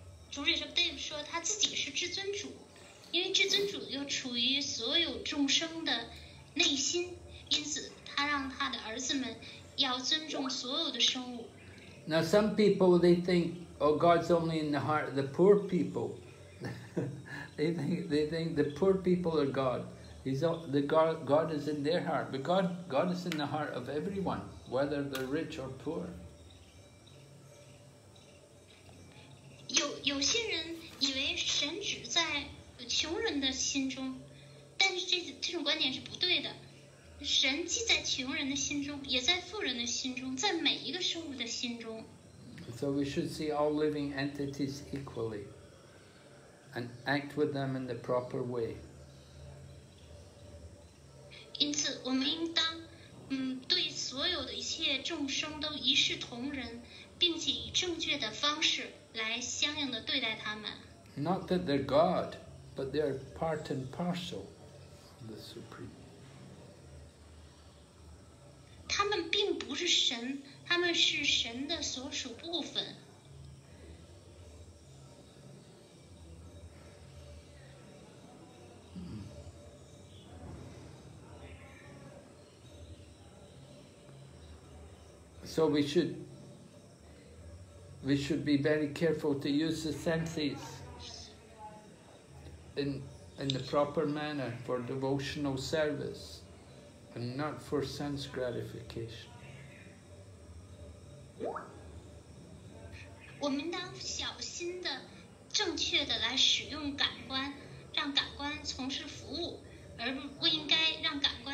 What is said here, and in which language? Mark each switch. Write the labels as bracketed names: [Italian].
[Chinese] 主 Rishabhdev 说他自己是至尊主，因为至尊主又处于所有众生的内心，因此他让他的儿子们要尊重所有的生物。 [English] Now some people, they think, oh, God's only in the heart of the poor people. They think the poor people are God. God is in their heart. But God is in the heart of everyone, whether they're rich or poor. [Chinese] 有些人以为神只在穷人的心中，但是这种观点是不对的。神既在穷人的心中，也在富人的心中，在每一个生物的心中。 [English] So we should see all living entities equally. And act with them in the proper way. [Chinese] 因此，我们应当，对所有的一切众生都一视同仁，并且以正确的方式来相应的对待他们。 [English] Not that they're God, but they're part and parcel of the Supreme. [Chinese] 他们并不是神，他们是神的所属部分。 [English] So we should be very careful to use the senses in the proper manner for devotional service and not for sense gratification. [Chinese] 我们当小心的、正确的来使用感官，让感官从事服务，而不应该让感官